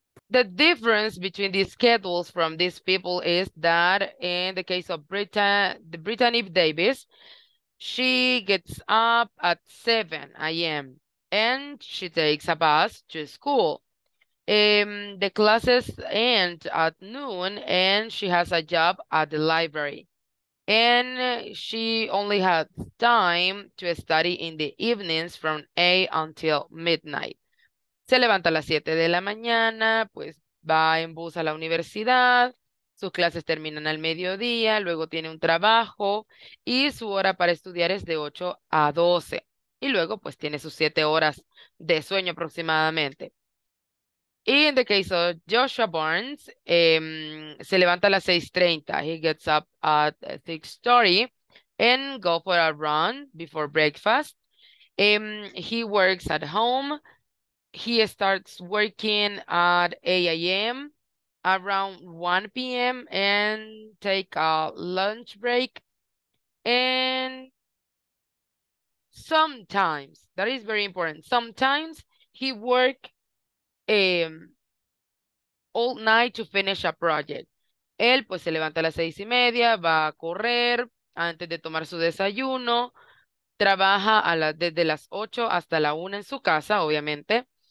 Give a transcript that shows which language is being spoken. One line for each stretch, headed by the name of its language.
English: The difference between the schedules from these people is that in the case of Brittany Davis, she gets up at 7 a.m. and she takes a bus to school. The classes end at noon and she has a job at the library. And she only has time to study in the evenings from 8 until midnight.
Spanish: Se levanta a las 7 de la mañana, pues va en bus a la universidad. Sus clases terminan al mediodía, luego tiene un trabajo y su hora para estudiar es de 8 a 12. Y luego, pues, tiene sus 7 horas de sueño aproximadamente. Y en el caso de Joshua Barnes, se levanta a las 6:30.
English: He gets up at 6:30 and go for a run before breakfast. He works at home. He starts working at 8 a.m., around 1 p.m. and take a lunch break. And sometimes, that is very important, sometimes he work all night to finish a project.
Spanish: Él pues se levanta a las 6:30, va a correr antes de tomar su desayuno, trabaja a la, desde las 8 hasta la 1 en su casa, obviamente.